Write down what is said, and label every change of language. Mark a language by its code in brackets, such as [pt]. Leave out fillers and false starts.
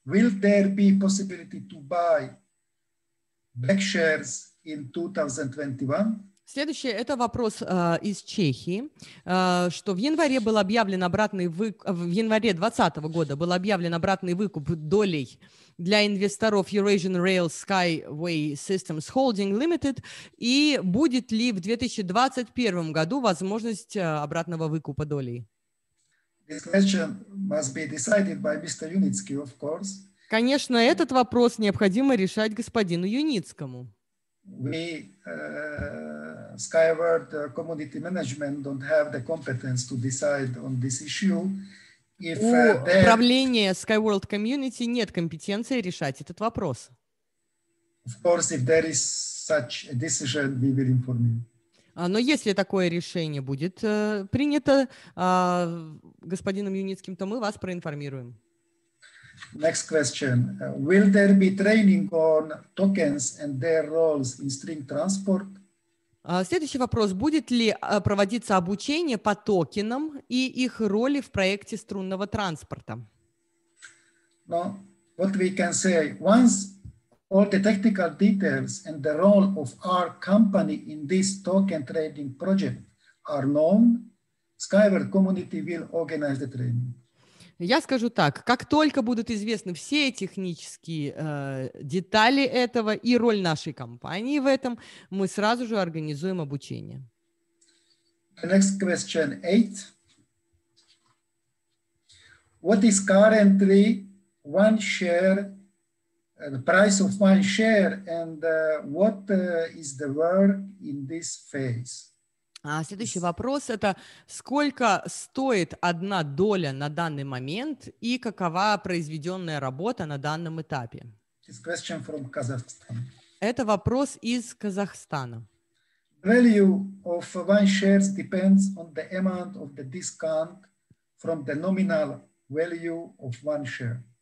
[en] Will there be possibility to buy back shares in 2021? [ru] Следующий – это вопрос из Чехии, что в январе был объявлен обратный выкуп, в январе 2020 года был объявлен обратный выкуп долей для инвесторов Eurasian Rail Skyway Systems Holding Limited, и будет ли в 2021 году возможность обратного выкупа долей? [en] This question must be decided by Mr. Yunitsky, of course. [ru] Конечно, этот вопрос необходимо решать господину Юницкому. [en] We, Skyward Community Management, don't have the competence to decide on this issue. [ru] If, у управления Skyworld Community нет компетенции решать этот вопрос. [en] Of course, if there is such a decision, we will inform you. [ru] Но если такое решение будет принято господином Юницким, то мы вас проинформируем. [en] Next question. Will there be training on tokens and their roles in string transport? [ru] Следующий вопрос. Будет ли проводиться обучение по токенам и их роли в проекте струнного транспорта? [en] No. What we can say, once all the technical details and the role of our company in this token trading project are known, Skyward Community will organize the training. [ru] Я скажу так, как только будут известны все технические детали этого и роль нашей компании в этом, мы сразу же организуем обучение. [en] The next question, 8. What is currently one share, the price of one share, and what is the work in this phase? [ru] Следующий вопрос – это сколько стоит одна доля на данный момент и какова произведенная работа на данном этапе? [en] This question from Kazakhstan. [ru] Это вопрос из Казахстана. [en] Value of one share depends on the amount of the discount from the nominal value of one share.